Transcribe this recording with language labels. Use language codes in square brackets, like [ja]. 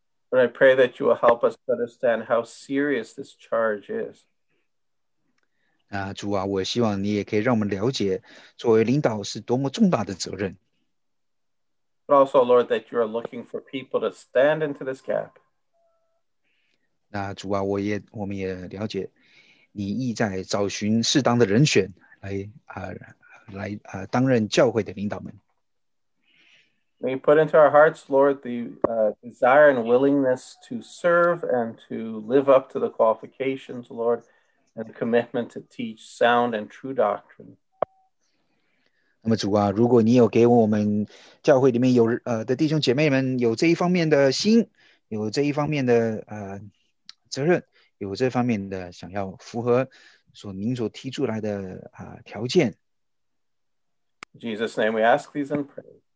[en] But I pray that you will help us understand how serious this charge is. [zh] 主啊，我希望你也可以让我们了解作为领导是多么重大的责任。 [en] But also, Lord, that you are looking for people to stand into this gap. [zh] 主啊，我们也了解你意在找寻适当的人选来担任教会的领导们。 [en] May you put into our hearts, Lord, the desire and willingness to serve and to live up to the qualifications, Lord, and the commitment to teach sound and true doctrine. [zh] 那么主啊，如果你有给我们教会里面的弟兄姐妹们有这一方面的心，有这一方面的责任，有这方面的想要符合您所提出来的条件。 [en] In Jesus' name we ask these and pray.